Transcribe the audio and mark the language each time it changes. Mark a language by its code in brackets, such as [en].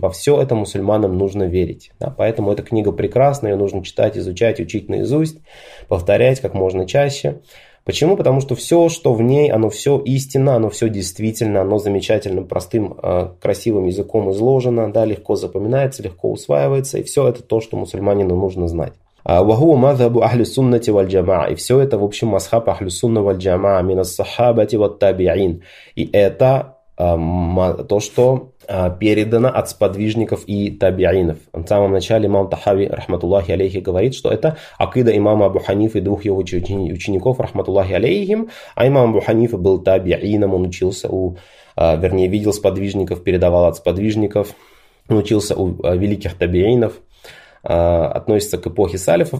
[ru] Во все это мусульманам нужно верить. Да? Поэтому эта книга прекрасна, ее нужно читать, изучать, учить наизусть, повторять как можно чаще. Почему? Потому что все, что в ней, оно все истинно, оно все действительно, оно замечательно, простым, красивым языком изложено, да, легко запоминается, легко усваивается, и все это то, что мусульманину нужно знать. [ar] وَهُوَ مَذْهَبُ أَهْلِ السُّنَّةِ وَالْجَمَاعَةِ. [ru] И все это, в общем, мазхаб [ar] أَهْلِ السُّنَّةِ وَالْجَمَاعَةِ مِنَ الصَّحَابَةِ وَالتَّابِعِينَ. [ru] И это то, что передано от сподвижников и табиинов. В самом начале имам Тахави, рахматуллахи алейхи, говорит, что это акида имама Абу Ханифы и двух его учеников, рахматуллахи алейхим, а имам Абу Ханифа был табиином, он учился у, вернее, видел сподвижников, передавал от сподвижников, учился у великих табиинов, относится к эпохе салифов.